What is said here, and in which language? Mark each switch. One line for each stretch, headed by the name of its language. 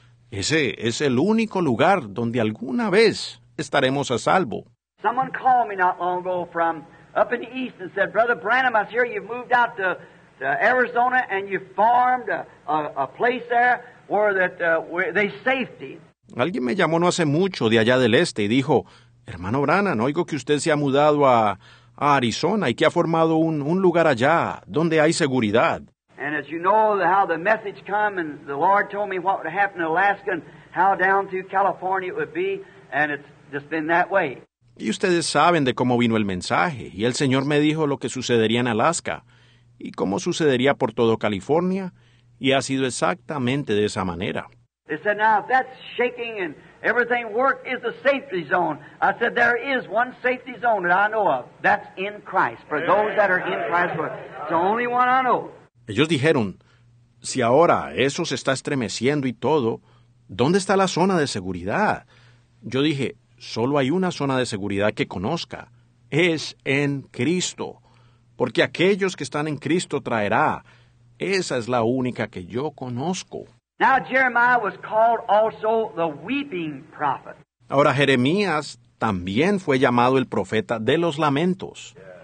Spanish: Ese es el único lugar donde alguna vez estaremos a salvo.
English: Someone called me not long ago from up in the east and said, Brother Branham, I hear you've moved out to Arizona and you farmed a place there where they safety.
Spanish: Alguien me llamó no hace mucho de allá del este y dijo, hermano Branham, oigo que usted se ha mudado a Arizona y que ha formado un lugar allá donde hay seguridad.
English: And as you know, how the message come, and the Lord told me what would happen in Alaska and how down to California it would be, and it's just been that way.
Spanish: Y ustedes saben de cómo vino el mensaje, y el Señor me dijo lo que sucedería en Alaska, y cómo sucedería por todo California, y ha sido exactamente de esa manera.
English: They said, now, if that's shaking and everything work is a safety zone. I said, there is one safety zone that I know of. That's in Christ, for those that are in Christ. It's the only one I know.
Spanish: Ellos dijeron, si ahora eso se está estremeciendo y todo, ¿dónde está la zona de seguridad? Yo dije, solo hay una zona de seguridad que conozca. Es en Cristo. Porque aquellos que están en Cristo traerá. Esa es la única que yo conozco.
English: Now Jeremiah was called also the weeping prophet.
Spanish: Ahora Jeremías también fue llamado el profeta de los lamentos.